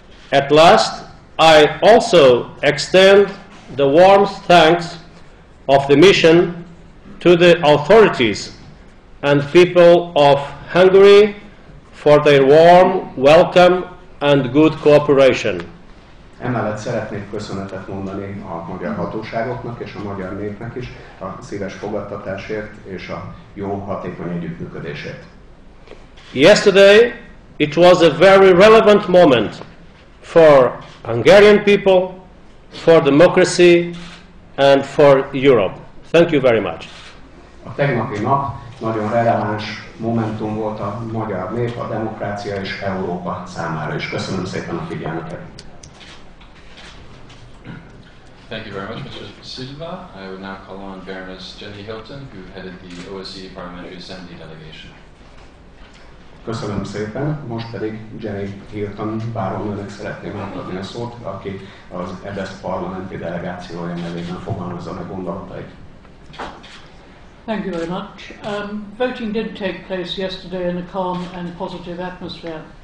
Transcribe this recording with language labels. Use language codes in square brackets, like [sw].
[en] At last, I also extend the warm thanks of the mission to the authorities and people of Hungary for their warm welcome and good cooperation. [hu] Emellett szeretnék köszönetet mondani a magyar hatóságoknak és a magyar népnek is a szíves fogadtatásért és a jó hatékony együttműködésért. [en] Yesterday it was a very relevant moment for Hungarian people, for democracy and for Europe. Thank you very much. [hu] A tegnapi nap nagyon releváns momentum volt a magyar nép, a demokrácia és Európa számára is. Köszönöm szépen a figyelmet. [en] Thank you very much, Mr. Silva. I would now call on Baroness Jenny Hilton, who headed the OSCE Parliamentary Assembly delegation. [hu] Köszönöm szépen. Most pedig Jenny Hilton barónőnek szeretném átadni a szót, aki az EBSZ parlamenti delegációja nevében fogalmazza meg gondolatait. [en] Thank you very much. Voting did take place yesterday in a calm and positive atmosphere.